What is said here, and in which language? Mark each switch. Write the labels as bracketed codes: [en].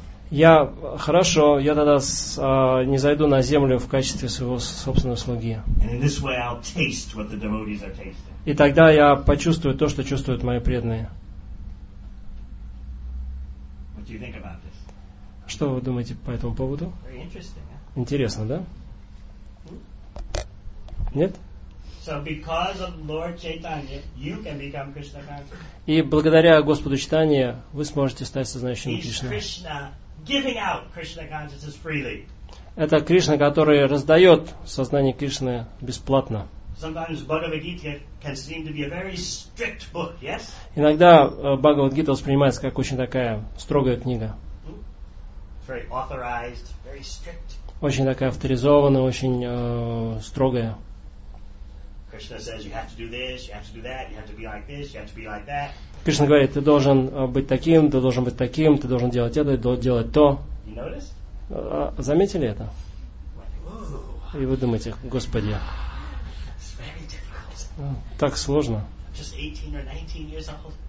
[ru] Я тогда не зайду на землю в качестве своего собственного слуги. [en] And in this way I'll taste what the devotees are tasting. [ru] И тогда я почувствую то, что чувствуют мои преданные. [en] What do you think about this? [ru] Что вы думаете по этому поводу? Huh? Интересно, да? Нет? [en] So because of Lord Chaitanya, you can become Krishna conscious. [ru] И благодаря Господу Чайтанье вы сможете стать сознающим Кришной. [en] Krishna giving out Krishna consciousness freely. [ru] Это Кришна, который раздает сознание Кришны бесплатно. [en] Sometimes Bhagavad Gita can seem to be a very strict book, yes? [ru] Иногда Бхагавад Гита воспринимается как очень такая строгая книга. [en] Very authorized, very strict. [ru] Очень такая авторизованная, очень строгая. [en] Krishna says you have to do this, you have to do that, you have to be like this, you have to be like that. [ru] Кришна говорит, ты должен быть таким, ты должен быть таким, ты должен делать это, делать то. [en] You notice? [ru] Заметили это? И вы думаете, Господи. [en] It's very difficult. [ru] Так сложно. [en] Just 18 or 19 years old.